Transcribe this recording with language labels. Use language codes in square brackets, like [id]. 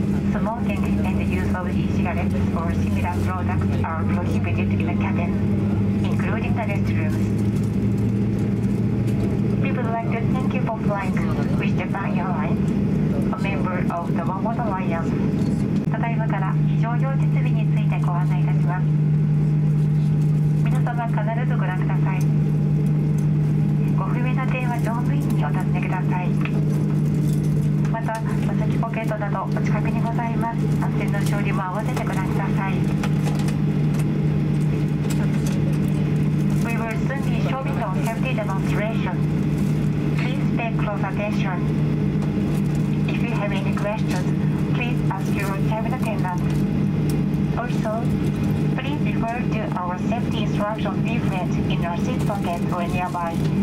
[en] Smoking and the use of e-cigarettes or similar products are prohibited in the cabin, including the restrooms. We would like to thank you for flying with Japan Airlines, a member of the One World Alliance. [ja] ただいまから非常用設備についてご案内いたします。皆様必ずご覧ください。ご不明な点は乗務員にお尋ねください。また、座席ポケットなどお近くにございます。安全の調理も合わせてご覧ください。 [en] We will soon be showing the safety demonstration. Please pay close attention. If you have any questions, please ask your cabin attendant. Also, please refer to our safety instruction leaflet in your seat pocket or nearby.